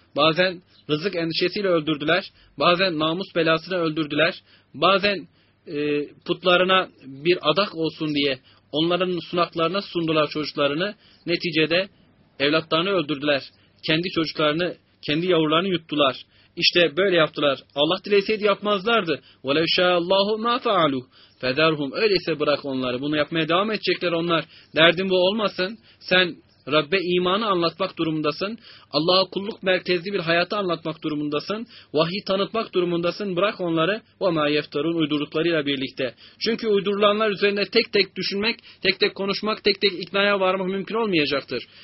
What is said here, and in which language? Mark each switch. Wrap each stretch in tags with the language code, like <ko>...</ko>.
<tr>Bazen rızık endişesiyle öldürdüler, bazen namus belasını öldürdüler, bazen putlarına bir adak olsun diye onların sunaklarına sundular çocuklarını, neticede evlatlarını öldürdüler, kendi çocuklarını, kendi yavrularını yuttular. İşte böyle yaptılar. Allah dileseydi yapmazlardı.</tr> <ar>وَلَوْ شَاءَ اللّٰهُ مَا فَعَلُوا فَذَرْهُمْ</ar> <tr>Öyleyse bırak onları. Bunu yapmaya devam edecekler onlar. Derdin bu olmasın. Sen Rabbe imanı anlatmak durumundasın. Allah'a kulluk merkezli bir hayatı anlatmak durumundasın. Vahyi tanıtmak durumundasın. Bırak onları.</tr> <ar>وَمَا يَفْتَرُونَ</ar> <tr>Uydurduklarıyla birlikte. Çünkü uydurulanlar üzerine tek tek düşünmek, tek tek konuşmak, tek tek iknaya varmak mümkün olmayacaktır.</tr>